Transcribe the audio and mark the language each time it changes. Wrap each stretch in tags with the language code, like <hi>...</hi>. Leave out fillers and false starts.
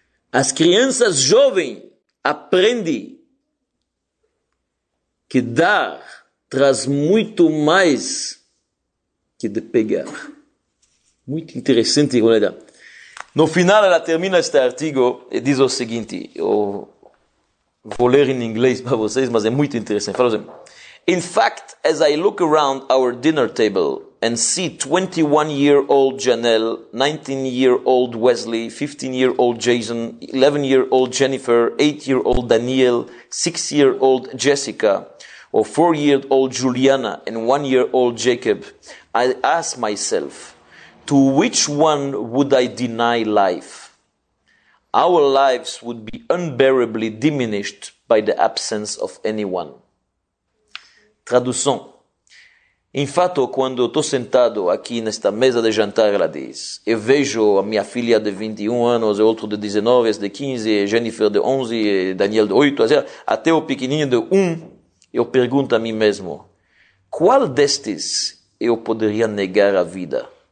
<pt>As crianças jovens aprendem que dar traz muito mais que de pegar. Muito interessante, Roleda. No final, ela termina este artigo e diz o seguinte, eu vou ler em inglês para vocês, mas é muito interessante. Fala assim.</pt> <en>In fact, as I look around our dinner table and see 21-year-old Janelle, 19-year-old Wesley, 15-year-old Jason, 11-year-old Jennifer, 8-year-old Daniel, 6-year-old Jessica, or 4-year-old Juliana, and 1-year-old Jacob, I ask myself, to which one would I deny life? Our lives would be unbearably diminished by the absence of anyone.</en> <pt>Tradução. Em fato, quando estou sentado aqui nesta mesa de jantar, ela diz, eu vejo a minha filha de 21 anos, e outro de 19, de 15, e Jennifer de 11, e Daniel de 8, até o pequenininho de 1, eu pergunto a mim mesmo, qual destes eu poderia negar a vida?</pt>